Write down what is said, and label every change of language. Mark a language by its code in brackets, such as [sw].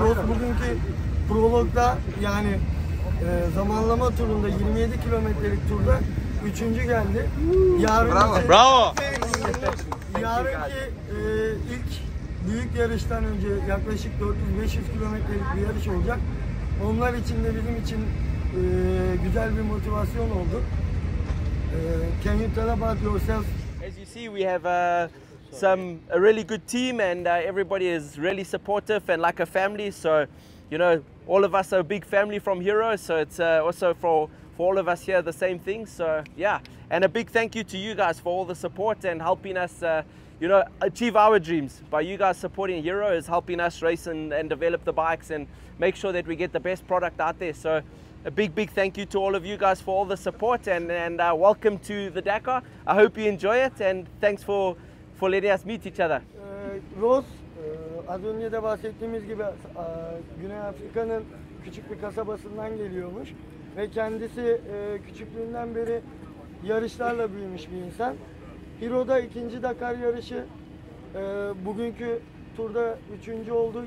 [tr] Ross bugünkü prologda, yani zamanlama turunda, 27 kilometrelik turda 3. geldi. Yarın bravo. Bravo. Yarınki ilk büyük yarıştan önce yaklaşık 400-500 kilometrelik bir yarış olacak. Onlar için de bizim için güzel bir motivasyon oldu. [en] Can you tell about yourself? As you see, we have a really good team and everybody is really supportive and like a family. So, you know, all of us are a big family from Hero, so it's also for all of us here the same thing. So yeah, and a big thank you to you guys for all the support and helping us, you know, achieve our dreams. By you guys supporting Hero is helping us race and develop the bikes and make sure that we get the best product out there. So a big thank you to all of you guys for all the support and welcome to the Dakar. I hope you enjoy it and thanks for letting us meet each other. Ross. [tr] Az önce de bahsettiğimiz gibi Güney Afrika'nın küçük bir kasabasından geliyormuş ve kendisi küçüklüğünden beri yarışlarla büyümüş bir insan. Hero'da 2. Dakar yarışı, bugünkü turda 3. oldu.